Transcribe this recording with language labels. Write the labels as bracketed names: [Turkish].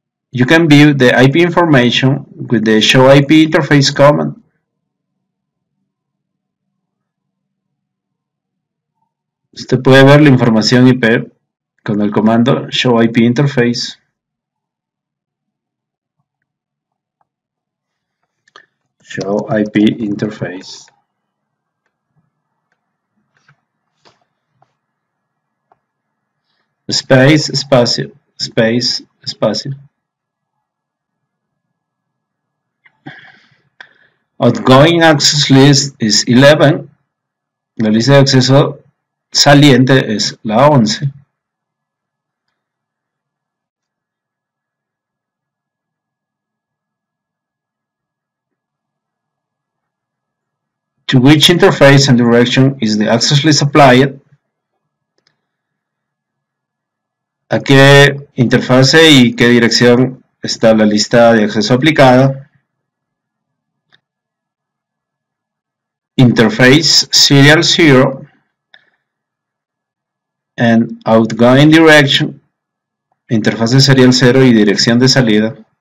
[English] You can view the IP information with the show IP interface command. [Spanish] Usted puede ver la información IP con el comando show IP interface. [English] Show IP interface. Space, espacio. Space, espacio. Outgoing access list is 11. [Spanish] La lista de acceso saliente es la 11. [English] To which interface and direction is the access list applied? [Spanish] ¿A qué interfase y qué dirección está la lista de acceso aplicada? [English] Interface serial 0 and outgoing direction, [Spanish] interfase serial 0 y dirección de salida.